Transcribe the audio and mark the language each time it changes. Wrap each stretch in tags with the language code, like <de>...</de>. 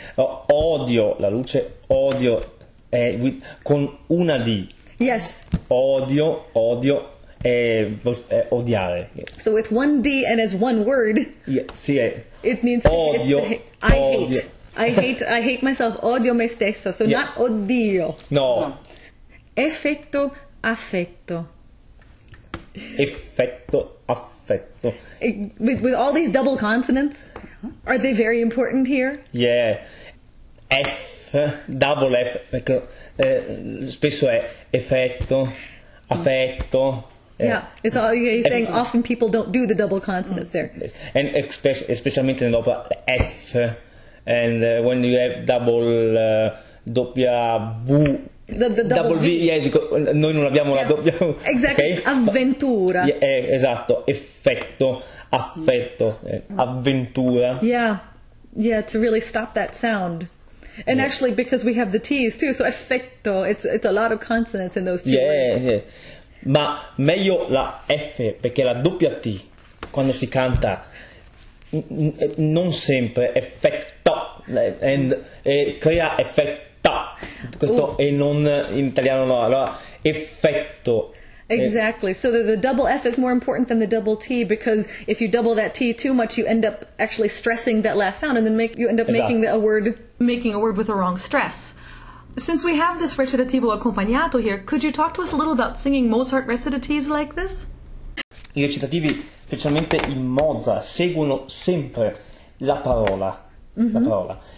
<it>Odio, la luce, odio è con una D.</it> <en>Yes.</en> <it>Odio. Odiare.</it> <en>So with one D and as one word,</en> <it>yeah, sì, è.</it> <en>It means</en> <it>odio,</it> <en>odio. I hate myself,</en> <it>odio me stessa,</it> <en>so, yeah, not oddio. No. No.</en> <it>Effetto, affetto.</it> <en>With all these double consonants, are they very important here? Yeah.</en> <it>F, double F, perché spesso è effetto, affetto.</it> <en>Yeah, it's all, okay, he's saying often people don't do the double consonants there. And especially in opera, F, and when you have double, doppia V. The double V. Yes, because</en> <it>noi non abbiamo, yeah, la doppia.</it> <en>Exactly, okay? Avventura.</en> <it>Yeah, esatto, effetto, affetto, avventura.</it> <en>Yeah, yeah, to really stop that sound. And, yes, actually, because we have the T's too, so effetto, it's a lot of consonants in those two, yes, words. Yes, yes.</en> <it>Ma meglio la F, perché la doppia T, quando si canta, non sempre, effetto, e crea effetto, questo, ooh, e non in italiano, no, allora, effetto.</it> <en>Exactly, so the double F is more important than the double T, because if you double that T too much, you end up actually stressing that last sound, and then making a word with the wrong stress. Since we have this recitativo accompagnato here, could you talk to us a little about singing Mozart recitatives like this?</en> <it>I recitativi, specialmente in Mozart, seguono sempre la parola. Mm-hmm. La parola.</it>